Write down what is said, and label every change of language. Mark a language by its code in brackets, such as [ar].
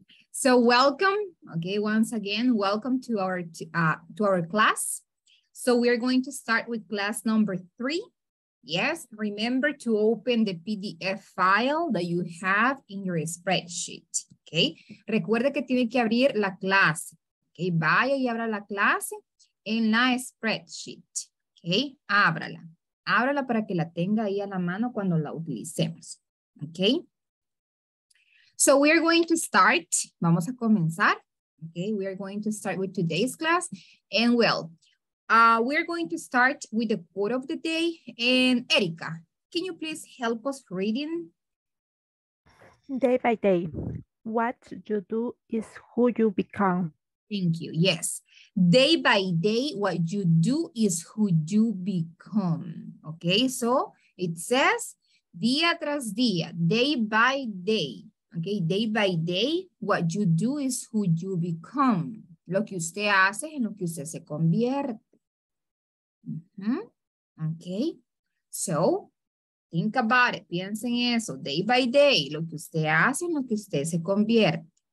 [en] So welcome. Okay, once again, welcome to our class. So we are going to start with class number 3. Yes, remember to open the PDF file that you have in your spreadsheet. [es] Okay. Recuerde que tiene que abrir la clase. Okay, vaya y abra la clase en la spreadsheet. Okay, ábrala. Ábrala para que la tenga ahí a la mano cuando la utilicemos. [en] Okay. So we are going to start. [es] Vamos a comenzar. [en] Okay. We are going to start with today's class. And well, we are going to start with the quote of the day. And Erika, can you please help us reading? Day by day, what you do is who you become. Thank you. Yes. Day by day, what you do is who you become. Okay, so it says [es] día tras día, [en] day by day. Okay, day by day, what you do is who you become. [es] Lo que usted hace es en lo que usted se convierte. [en] Okay, so think about it. [es] Piensa en eso. [en] Day by day, [es] lo que usted hace en lo que usted se convierte.